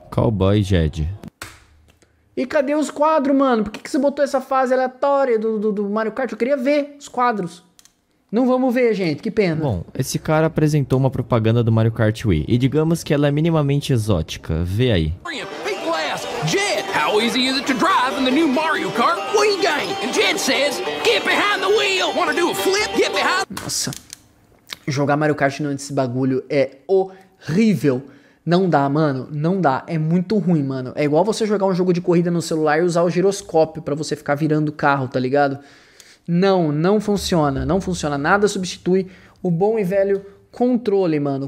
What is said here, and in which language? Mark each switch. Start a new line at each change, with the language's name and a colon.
English: Cowboy Jed.
Portuguese: E cadê os quadros, mano? Por que que você botou essa fase aleatória do Mario Kart? Eu queria ver os quadros. Não vamos ver, gente, que pena. Bom, esse cara apresentou uma propaganda do Mario Kart Wii, e digamos que ela é minimamente exótica, vê aí.
English: How easy is it to drive in the new Mario Kart Wii game? And Jed says, get behind the wheel! Wanna do a flip? Get behind...
Portuguese: Nossa. Jogar Mario Kart nesse bagulho é horrível. Não dá, mano. Não dá. É muito ruim, mano. É igual você jogar um jogo de corrida no celular e usar o giroscópio pra você ficar virando o carro, tá ligado? Não, não funciona. Não funciona. Nada substitui o bom e velho controle, mano.